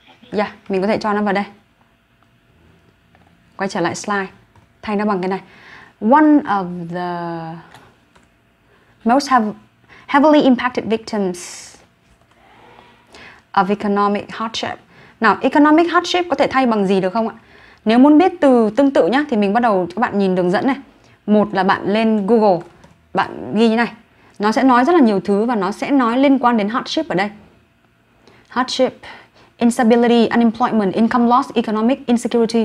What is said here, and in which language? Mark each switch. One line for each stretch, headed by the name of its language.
Vietnamese: Yeah, mình có thể cho nó vào đây. Quay trở lại slide, thay nó bằng cái này.
English: One of the most heavily impacted victims of economic hardship.
Vietnamese: Nào, economic hardship có thể thay bằng gì được không ạ? Nếu muốn biết từ tương tự nhá, thì mình bắt đầu cho bạn nhìn đường dẫn này. Một là bạn lên Google, bạn ghi như này. Nó sẽ nói rất là nhiều thứ và nó sẽ nói liên quan đến hardship ở đây.
English: Hardship, instability, unemployment, income loss, economic insecurity.